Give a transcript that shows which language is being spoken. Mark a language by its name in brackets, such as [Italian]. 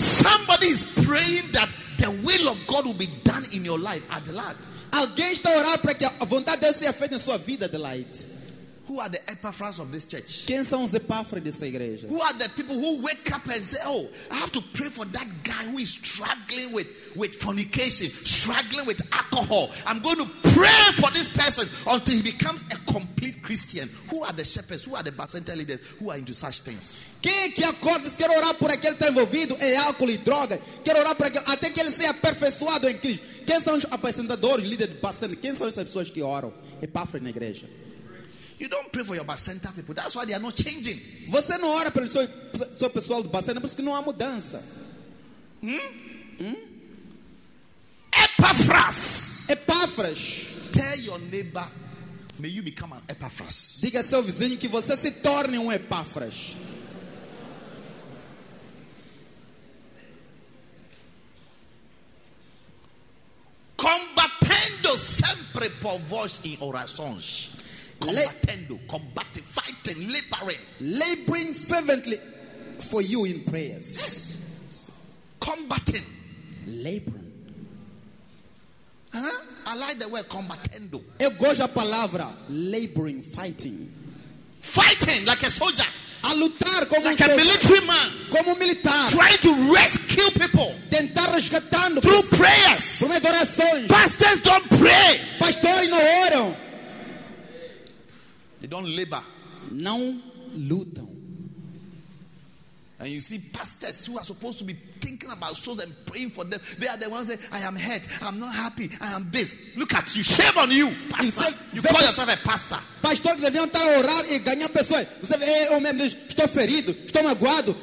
[English] Somebody is praying that the will of God will be done in your life, Adelaide. [Portuguese] Alguém está orando para que a vontade de Deus seja feita em sua vida, Adelaide. [English] Who are the Epaphras of this church? [Portuguese] Quem são os Epáfras dessa igreja? [English] Who are the people who wake up and say, "Oh, I have to pray for that guy who is struggling with fornication, struggling with alcohol. I'm going to pray for this person until he becomes a complete Christian." Who are the shepherds? Who are the bartender leaders? Who are into such things? [Portuguese] Quem que acorda e quer orar por aquele que está envolvido em álcool e droga? Quer orar por aquele, até que ele seja aperfeiçoado em Cristo? Quem são os apresentadores, líderes de bartender? Quem são essas pessoas que oram? Epáfras na igreja. [English] You don't pray for your bartender people. That's why they are not changing. [Portuguese] Você não ora pelo seu pessoal do bartender, porque não há mudança. [English] Epaphras. [Portuguese] Epaphras. [English] Tell your neighbor, may you become an Epaphras. [Portuguese] Diga ao seu vizinho que você se torne um Epaphras. Combatendo sempre por vós em orações. Combatendo, [English] combating, fighting, laboring. Laboring fervently for you in prayers. Yes. Combating. Laboring. Huh? I like the word combatendo. [Portuguese] Eu gosto da palavra [English] laboring, fighting. Fighting like a soldier. [Portuguese] A lutar como [English] like a military man. [Portuguese] Como militar. [English] Trying to rescue people. [Portuguese] Tentar resgatando. [English] Through prayers. [Portuguese] Por orações. [English] Pastors don't pray. [Portuguese] Pastores não oram. [English] They don't labor. [Portuguese] Não lutam. [English] And you see pastors who are supposed to be thinking about souls and praying for them. They are the ones saying, "I am hurt. I'm not happy. I am this." Look at you. Shame on you, pastor. You call yourself a pastor. [Portuguese] Pastor que deviam estar a orar e ganhar pessoas. Você vê, eu mesmo diz, estou ferido, estou magoado.